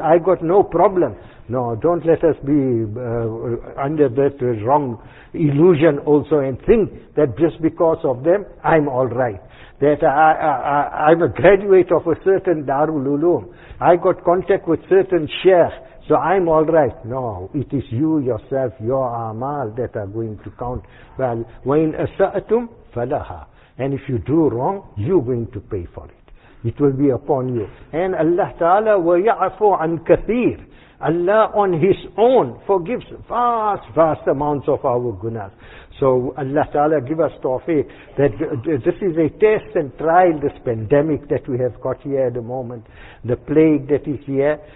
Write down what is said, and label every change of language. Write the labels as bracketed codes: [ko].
[en] I got no problem. No, don't let us be under that wrong illusion also and think that just because of them, I'm all right. That I'm a graduate of a certain Darul Uloom. I got contact with certain sheikh, so I'm all right. No, it is you yourself, your amal that are going to count. [ar] Well, وَإِنْ أَسَأْتُمْ فَلَهَا. [en] And if you do wrong, you're going to pay for it. It will be upon you. And Allah Ta'ala [ar] وَيَعْفُ عَنْ كَثِيرٍ. [en] Allah on His own forgives vast, vast amounts of our gunas. So Allah Ta'ala give us tawfiq that this is a test and trial, this pandemic that we have got here at the moment, the plague that is here.